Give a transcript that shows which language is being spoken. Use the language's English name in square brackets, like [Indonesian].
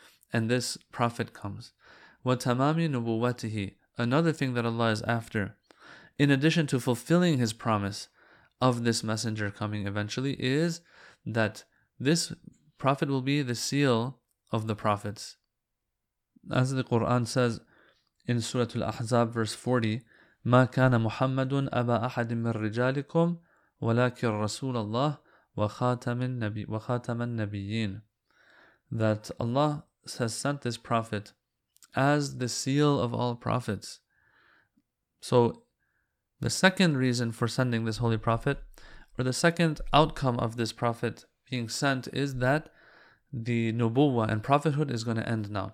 [English] And this prophet comes. [Arabic] وَتَمَامِ نُبُوَّتِهِ. [English] Another thing that Allah is after, in addition to fulfilling his promise of this messenger coming eventually, is that this prophet will be the seal of the prophets. As the Quran says in Surah Al-Ahzab, verse 40, [Arabic] مَا كَانَ مُحَمَّدٌ أَبَا أَحَدٍ مِّن رِجَالِكُمْ وَلَكِنْ رَسُولَ اللَّهِ وَخَاتَمَ النَّبِيِّينَ. [English] That Allah has sent this prophet as the seal of all prophets. So the second reason for sending this holy prophet, or the second outcome of this prophet being sent, is that the nubuwa and prophethood is going to end now.